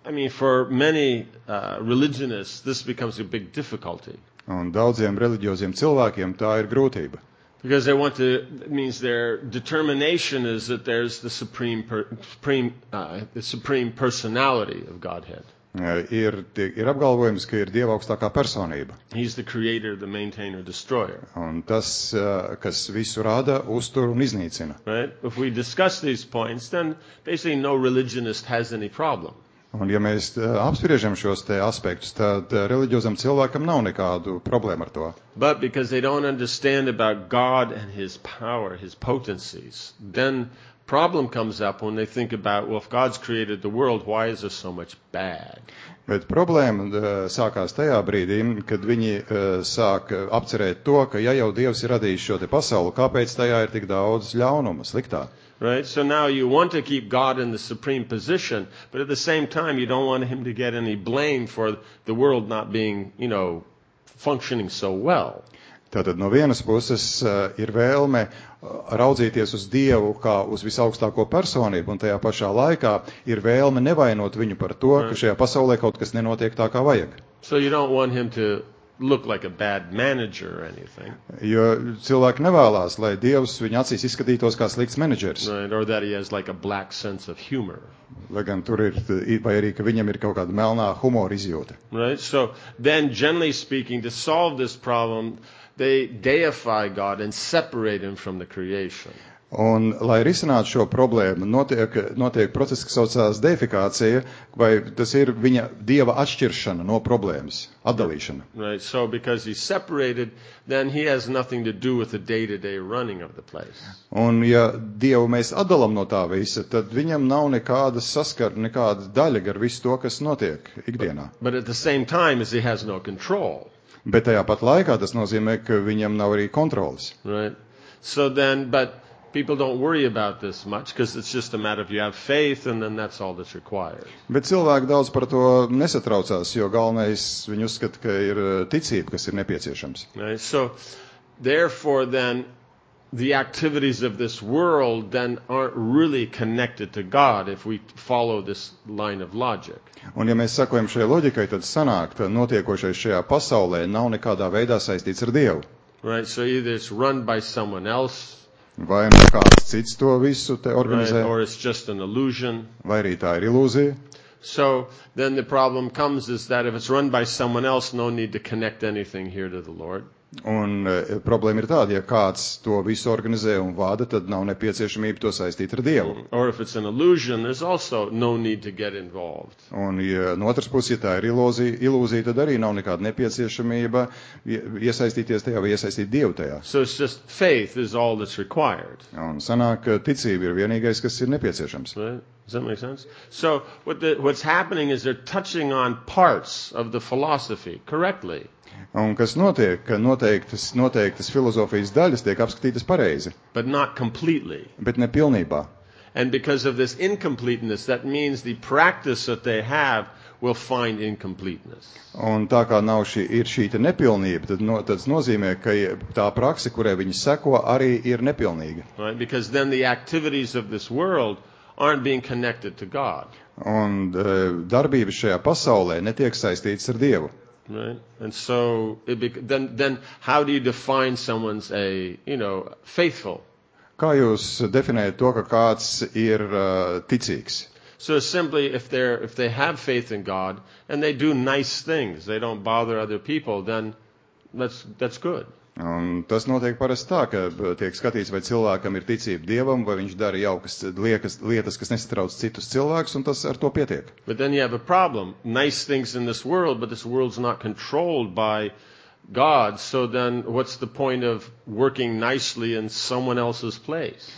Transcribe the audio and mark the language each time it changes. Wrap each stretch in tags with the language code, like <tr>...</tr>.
<en>For many religionists, this becomes a big difficulty.</en> <lv>Un daudziem religioziem cilvēkiem tā ir grūtība.</lv> <en>Because they want to, it means their determination is that there's the supreme personality of Godhead.</en> <lv>Ir apgalvojums, ka ir Dieva augstākā personība.</lv> <en>He's the creator, the maintainer, destroyer.</en> <lv>Un tas, kas visu rāda, uztur un iznīcina.</lv> <en>Right? If we discuss these points, then basically no religionist has any problem.</en> <lv>Un ja mēs apspriežam šos te aspektus, tad religiozam cilvēkam nav nekādu problēmu ar to.</lv> <en>But because they don't understand about God and his power, his potencies, then problem comes up when they think about, well, if God's created the world, why is there so much bad?</en> <lv>Bet problēma sākās tajā brīdī, kad viņi sāk apcerēt to, ka ja jau Dievs ir radījis šo te pasauli, kāpēc tajā ir tik daudz ļaunuma sliktā?</lv> <en>Right, so now you want to keep God in the supreme position, but at the same time you don't want him to get any blame for the world not being, you know, functioning so well.</en> <lv>Tātad no vienas puses ir vēlme raudzīties uz Dievu kā uz visaugstāko personību, un tajā pašā laikā ir vēlme nevainot viņu par to, ka šajā pasaulē kaut kas nenotiek tā, kā vajag.</lv> <en>So you don't want him to look like a bad manager or anything.</en> <lv>Jo cilvēki nevēlās, lai Dievs viņu acīs izskatītos kā slikts menedžers.</lv> <en>Right, or that he has like a black sense of humor.</en> <lv>Lai gan tur ir, vai arī, ka viņam ir kaut kāda melnā humora izjūta.</lv> <en>Right, so then generally speaking, to solve this problem, they deify God and separate him from the creation.</en> <lv>Un, lai risinātu šo problēmu, notiek process, kas saucās deifikācija, vai tas ir viņa dieva atšķiršana no problēmas, atdalīšana.</lv> <en>Right, so because he's separated, then he has nothing to do with the day-to-day running of the place.</en> <lv>Un, ja dievu mēs atdalam no tā visa, tad viņam nav nekāda saskara, nekāda daļa ar visu to, kas notiek ikdienā.</lv> <en>But at the same time, as he has no control.</en> <lv>Bet tajā pat laikā tas nozīmē, ka viņam nav arī kontrolas.</lv> <en>Right, so then, but people don't worry about this much because it's just a matter of you have faith and then that's all that's required.</en> <lv>Bet cilvēki daudz par to nesatraucās, jo galvenais viņi uzskata, ka ir ticība, kas ir nepieciešams.</lv> <en>Right? So therefore then the activities of this world then aren't really connected to God if we follow this line of logic.</en> <lv>Un ja mēs sakojam šajai loģikai, tad sanāk, ka notiekošais šajā pasaulē nav nekādā veidā saistīts ar Dievu.</lv> <en>Right, so either it's run by someone else.</en> <lv>Vai no kāds cits to visu te organizē?</lv> <en>Right, or it's just an illusion.</en> <lv>Vai arī tā ir ilūzija?</lv> <en>So then the problem comes is that if it's run by someone else, no need to connect anything here to the Lord.</en> <lv>Un problēma ir tāda, ja kāds to visu organizē un vada, tad nav nepieciešamība to saistīt ar Dievu.</lv> <en>Or if it's an illusion, there's also no need to get involved.</en> <lv>Un ja no otras puses, ja tā ir ilūzija, tad arī nav nekāda nepieciešamība iesaistīties tajā vai iesaistīt Dievu tajā.</lv> <en>So it's just faith is all that's required.</en> <lv>Un sanāk, ka ticība ir vienīgais, kas ir nepieciešams.</lv> <en>Right. Does that make sense? So what's happening is they're touching on parts of the philosophy correctly.</en> <lv>Un kas notiek, ka noteiktas filozofijas daļas tiek apskatītas pareizi.</lv> <en>But not completely.</en> <lv>Bet ne pilnībā.</lv> <en>And because of this incompleteness, that means the practice that they have will find incompleteness.</en> <lv>Un tā kā nav šī, ir šī te nepilnība, tad tas nozīmē, ka tā prakse, kurai viņi seko, arī ir nepilnīga.</lv> <en>Right? Because then the activities of this world aren't being connected to God.</en> <lv>Un darbības šajā pasaulē netiek saistītas ar Dievu.</lv> <en>Right? And so it then how do you define someone's a, you know, faithful?</en> <lv>Kā jūs definējat to, ka kāds ir ticīgs?</lv> <en>So simply if they have faith in God and they do nice things, they don't bother other people, then that's good.</en> <lv>Un tas notiek parasti tā, ka tiek skatīts, vai cilvēkam ir ticība Dievam, vai viņš dara jaukas lietas, kas nesatrauc citus cilvēkus, un tas ar to pietiek.</lv> <en>But then you have a problem. Nice things in this world, but this world's not controlled by God, so then what's the point of working nicely in someone else's place?</en>